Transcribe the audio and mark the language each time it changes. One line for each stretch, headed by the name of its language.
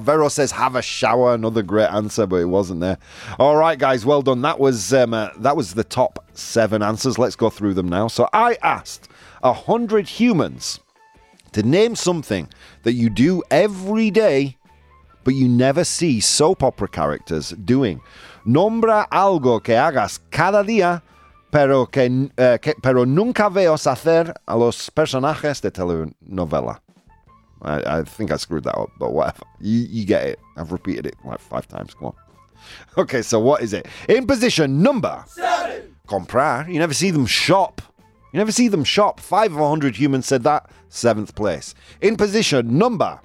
English: Vero says have a shower. Another great answer, but it wasn't there. All right, guys. Well done. That was the top seven answers. Let's go through them now. So I asked 100 humans to name something that you do every day, but you never see soap opera characters doing.
Spanish: Nombra algo que hagas cada día, pero nunca veos hacer a los personajes de telenovela.
English: I think I screwed that up, but whatever. You get it. I've repeated it like 5 times. Come on. Okay, so what is it? In position number 7. Comprar. You never see them shop. You never see them shop. 5 of 100 humans said that. 7th place. In position number